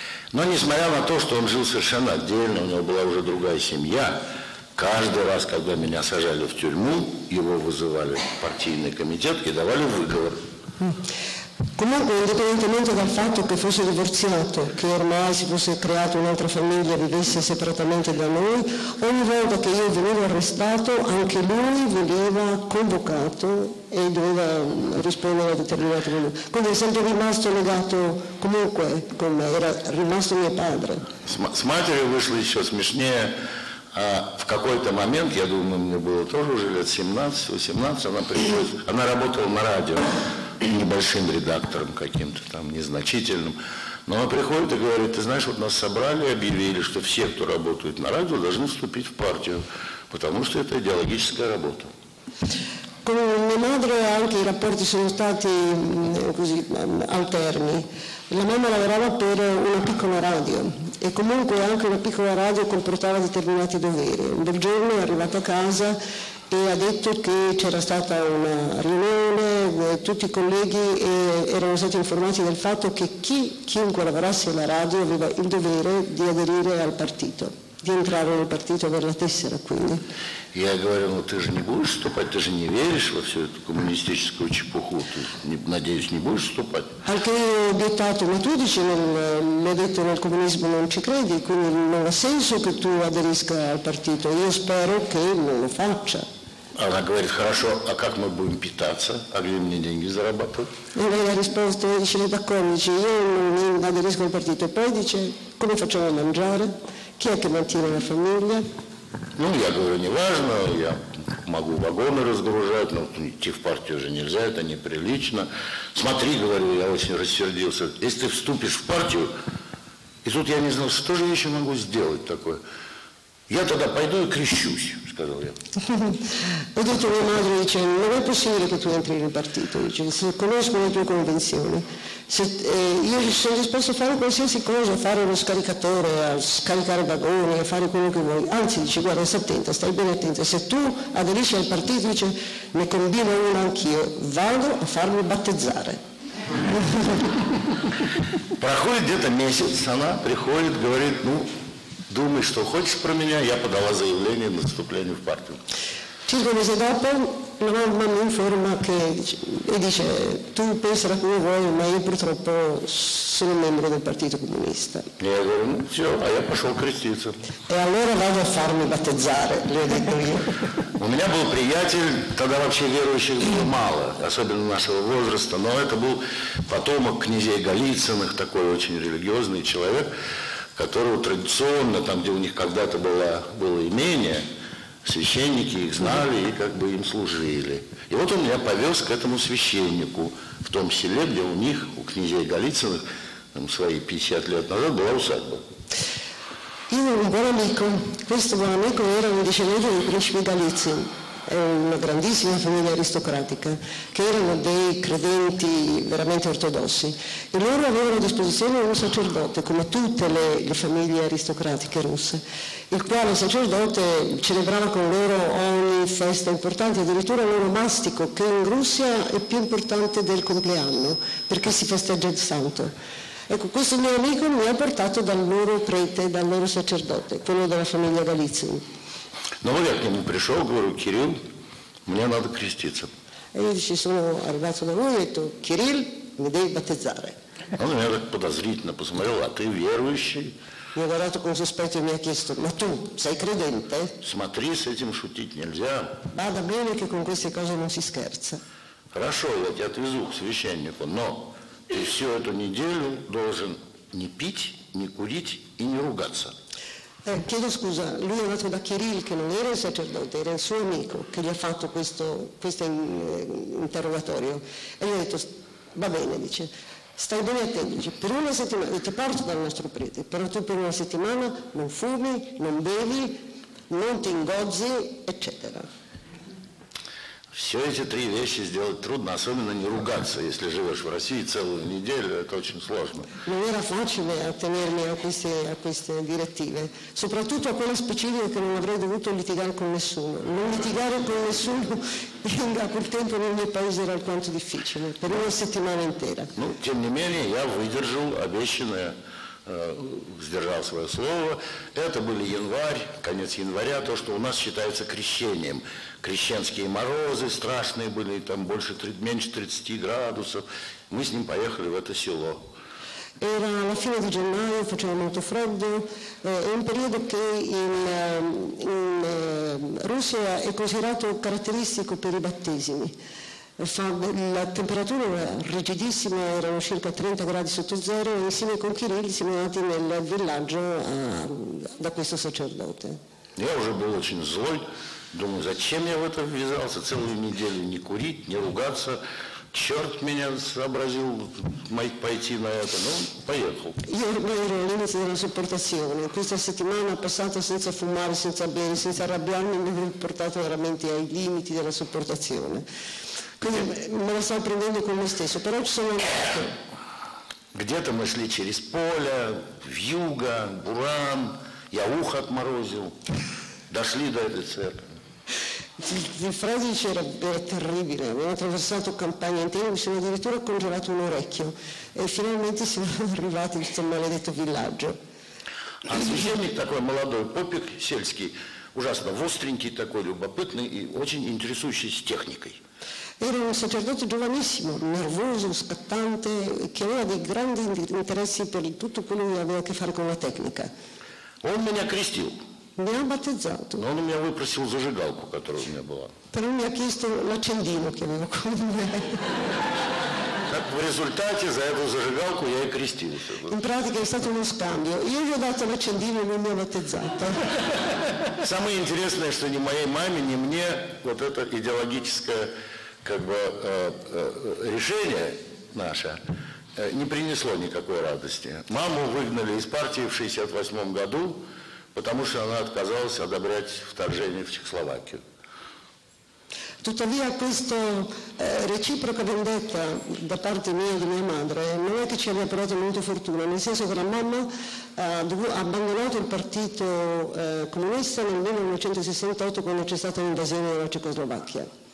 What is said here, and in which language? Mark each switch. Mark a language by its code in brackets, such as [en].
[ru] Но несмотря на то, что он жил совершенно отдельно, у него была уже другая семья. Каждый раз, когда меня сажали в тюрьму, его вызывали в партийный комитет и давали выговор. [it] Comunque, indipendentemente dal fatto che fosse divorziato, che ormai si fosse creato un'altra famiglia e vivesse separatamente da noi, ogni volta che io venivo arrestato, anche lui veniva convocato e doveva rispondere a determinate domande. Quindi è sempre rimasto legato comunque con me, era rimasto mio padre. [ru] С матерью вышло еще смешнее. А в какой-то момент, я думаю, мне было тоже уже лет 17-18, она приходит, она работала на радио небольшим редактором каким-то там незначительным, но она приходит и говорит, ты знаешь, вот нас собрали и объявили, что все, кто работает на радио, должны вступить в партию, потому что это идеологическая работа. [it] Con mia madre anche i rapporti sono stati così alterni. La mamma lavorava per una piccola radio e comunque anche una piccola radio comportava determinati doveri. Un bel giorno è arrivata a casa e ha detto che c'era stata una riunione, tutti i colleghi erano stati informati del fatto che chiunque lavorasse alla radio aveva il dovere di aderire al partito. Di entrare nel partito per la tessera, quindi. [ru] Я говорю, ну ты же не будешь вступать, ты же не веришь во всю эту коммунистическую чепуху, ты, надеюсь, не будешь вступать. [it] Anche io ho obiettato, ma tu dici, mi ha detto, nel comunismo non ci credi, quindi non ha senso che tu aderisca al partito, io spero che non lo faccia. [ru] Она говорит, хорошо, а как мы будем питаться, а где мне деньги зарабатывать? И [it] lei ha risposto, dice, d'accordo, dice, io non aderisco al partito, e poi dice, come facciamo a mangiare? Chi è che mantiene la famiglia? [ru] Ну, я говорю, не важно, я могу вагоны разгружать, но идти в партию уже нельзя, это неприлично. Смотри, говорю, я очень рассердился, если ты вступишь в партию, И тут я не знал, что же я еще могу сделать такое. Я тогда пойду и крещусь, сказал я. Видите, моя мать говорит, ну, не [it] possibile, [ru] что ты [it] entri in partito. Dice, se conosco le tue convenzioni, io sono disposto a fare qualsiasi cosa, a fare lo scaricatore, a scaricare vagoni, a fare quello che vuoi. Anzi, dice, guarda, stai attenta, stai bene attenta. Se tu aderisci al partito, dice, ne combino uno anch'io, vado a farmi battezzare. [ru] Проходит где-то месяц, она приходит, говорит, ну, думай, что хочешь про меня, я подала заявление на вступление в партию. [it] Circa un mese dopo, la mamma mi informa che, e dice, tu pensa come vuoi, ma io purtroppo sono membro del Partito Comunista. E io [ru] говорю, ну, все, а я пошел креститься. [it] E allora vado a farmi battezzare, le ho detto io. [ru] У меня был приятель, тогда вообще верующих было мало, особенно нашего возраста, но это был потомок князей Голицыных, такой очень религиозный человек, которого традиционно, там, где у них когда-то было имение, священники их знали и как бы им служили. И вот он меня повез к этому священнику в том селе, где у них, у князей Голицыных, там свои 50 лет назад была усадьба. [it] Io un buon amico, questo buon amico era un discendente dei principi Galizia, una grandissima famiglia aristocratica, che erano dei credenti veramente ortodossi. E loro avevano a disposizione un sacerdote, come tutte le famiglie aristocratiche russe, il quale sacerdote celebrava con loro ogni festa importante, addirittura l'onomastico, che in Russia è più importante del compleanno, perché si festeggia il santo. Ecco, questo mio amico mi ha portato dal loro prete, dal loro sacerdote, quello della famiglia Galizia. No, io [ru] к нему пришел, говорю, Кирилл, мне надо креститься. [it] E io ci sono arrivato da lui e ho detto, Кирилл, mi devi battezzare. [ru] Он меня так подозрительно посмотрел, а ты верующий? [it] Mi ha guardato con sospetto e mi ha chiesto, ma tu sei credente? [ru] Смотри, с этим шутить нельзя. [it] Vada bene che con queste cose non si scherza. [ru] Хорошо, я тебя отвезу к священнику, но... Ты всю эту неделю должен не пить, не курить и не ругаться. [it] Chiedo scusa, lui è andato da Kirill, che non era il sacerdote, era il suo amico, che gli ha fatto questo interrogatorio. E gli ha detto, va bene, dice, stai bene attento, dice, per una settimana, e ti porto dal nostro prete, però tu per una settimana non fumi, non bevi, non ti ingozzi, eccetera. [ru] Все эти три вещи сделать трудно, особенно не ругаться, если живешь в России целую неделю, это очень сложно. Но не было [it] facile attenermi a queste direttive, soprattutto a quella specifica che non avrei dovuto litigare con nessuno. Non litigare con nessuno a quel tempo nel mio paese era alquanto difficile, per una settimana intera. [ru] Ну, тем не менее, я выдержал обещанное, сдержал свое слово. Это был январь, конец января, то, что у нас считается крещением. Крещенские морозы страшные были, там больше, меньше 30 градусов. Мы с ним поехали в это село. [it] Era la fine di gennaio, faceva molto freddo, è un periodo che in Russia è considerato caratteristico per i battesimi. La temperatura era rigidissima, erano circa 30 gradi sotto zero, e insieme con Kirill siamo andati nel villaggio da questo sacerdote. [ru] Я уже был очень злой. Думаю, зачем я в это ввязался, целую неделю не курить, не ругаться. Черт меня сообразил пойти на это. Ну, поехал. Я говорю, Линец, это суппортационно. [it] Questa settimana passata senza fumare, senza bere, senza arrabbiarmi, mi avrei portato veramente ai limiti della суппортационно. Quindi me la stavo prendendo con me stesso. Però ci sono... [ru] Где-то мы шли через поле, вьюга, буран, я ухо отморозил. Дошли до этой церкви. [it] Il freddo era terribile, avevo attraversato campagna intera, mi sono addirittura congelato un orecchio e finalmente siamo arrivati in questo maledetto villaggio. [ru] А священник такой молодой, попик сельский, ужасно востренький такой, любопытный и очень интересующийся техникой. [it] Era un sacerdote giovanissimo, nervoso, scattante, che aveva dei grandi interessi per tutto quello che aveva a che fare con la tecnica. [ru] Он меня крестил. [it] Mi ha battezzato. [ru] Но он у меня выпросил зажигалку, которая у меня была. [it] Però mi ha chiesto l'accendino che avevo con me. [ru] Так в результате за эту зажигалку я и крестился. [it] In pratica è stato uno scambio. Io gli ho dato l'accendino e lui mi ha battezzato. [ru] Самое интересное, что ни моей маме, ни мне вот это идеологическое как бы решение наше, не принесло никакой радости. Маму выгнали из партии в 68 году, потому что она отказалась одобрять вторжение в Чехословакию. [it] Tuttavia questo reciproca vendetta da parte mia e di mia madre non è che ci abbia portato molto fortuna, nel senso che la mamma ha abbandonato il partito comunista nel 1968 quando c'è stata l'invasione della Cecoslovacchia.